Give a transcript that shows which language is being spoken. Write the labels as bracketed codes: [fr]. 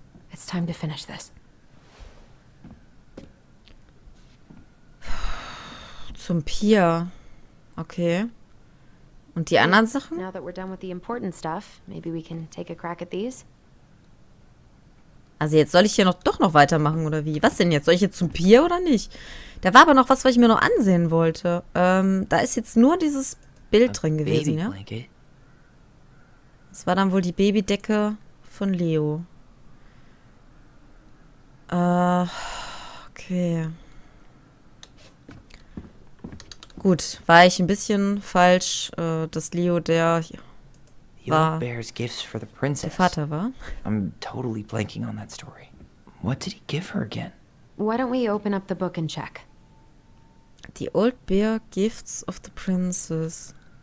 [en] It's time to finish this. [de] Zum Pier. Okay. Und die anderen Sachen? [en] Now that we're done with the important stuff, maybe we can take a crack at these. [de] Also jetzt soll ich hier doch noch weitermachen, oder wie? Was denn jetzt? Soll ich jetzt zum Pier oder nicht? Da war aber noch was, was ich mir noch ansehen wollte. Da ist jetzt nur dieses Bild drin gewesen, ja? Das war dann wohl die Babydecke von Leo. Okay. Gut, war ich ein bisschen falsch, dass Leo der Vater war. [en] I'm totally blanking on that story. What did he give her again? Why don't we open up the book and check? The Old Bear Gifts of the Princess.